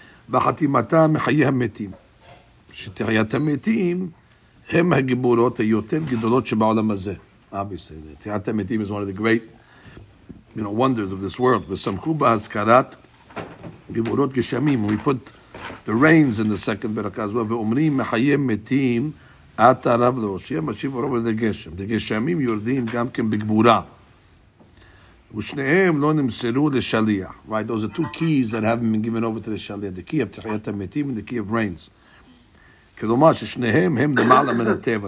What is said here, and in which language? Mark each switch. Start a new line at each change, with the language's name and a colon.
Hebrew: וחתימתה מחיי המתים, שתחיית המתים הם הגיבורות היותר גדולות שבעולם הזה.
English: Obviously, תחיית המתים is one of the great, you know, wonders of this world.
Hebrew: וסמכו בהזכרת גיבורות גשמים.
English: We put the reins in the second
Hebrew: ברכה הזו, ואומרים מחיי המתים עת הרב להושיע משיב רוב על הגשם. הגשמים יורדים גם כן בגבורה. ושניהם לא נמסרו לשליח.
English: Right, those are two keys that haven't been given over to the shaliach. The key of תחיית המתים and the key of reigns.
Hebrew: כלומר ששניהם הם למעלה מן הטבע.